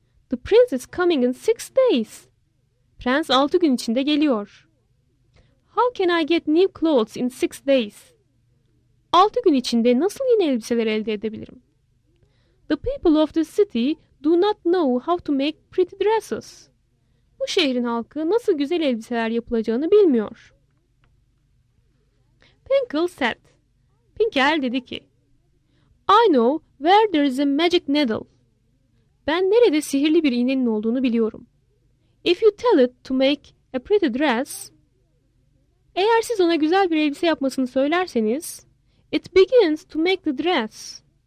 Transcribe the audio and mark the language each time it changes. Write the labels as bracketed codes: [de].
[en] The prince is coming in 6 days. [tr] Prens 6 gün içinde geliyor. [en] How can I get new clothes in 6 days? [tr] 6 gün içinde nasıl yeni elbiseler elde edebilirim? [en] The people of the city do not know how to make pretty dresses. [tr] Bu şehrin halkı nasıl güzel elbiseler yapılacağını bilmiyor. [en] Pinkle said. [tr] Pinkel dedi ki, [en] I know where there is a magic needle. [tr] Ben nerede sihirli bir iğnenin olduğunu biliyorum. [en] If you tell it to make a pretty dress, [tr] eğer siz ona güzel bir elbise yapmasını söylerseniz, [en] it begins to make the dress.